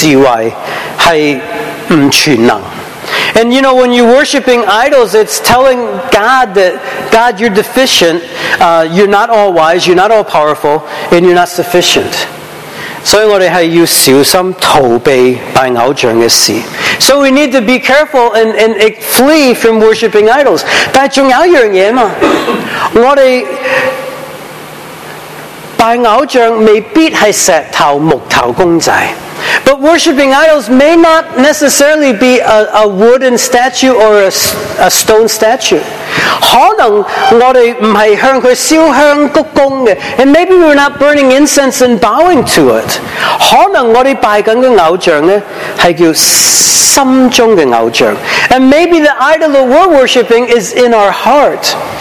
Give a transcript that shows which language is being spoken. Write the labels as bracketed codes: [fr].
[zh] 当我们拜偶像的时候,就是跟真神说,我们是觉得他有不足之处,是缺少智慧,是不全能. [en] And you know, when you're worshipping idols, it's telling God that, God, you're deficient, you're not all wise, you're not all powerful, and you're not sufficient. So we need to be careful and flee from worshipping idols. But worshipping idols may not necessarily be a wooden statue or a stone statue. [zh] 可能我们不是向他烧香鞠躬的, [en] and maybe we're not burning incense and bowing to it. [zh] 可能我们拜的偶像是叫心中的偶像, [en] and maybe the idol that we're worshipping is in our heart.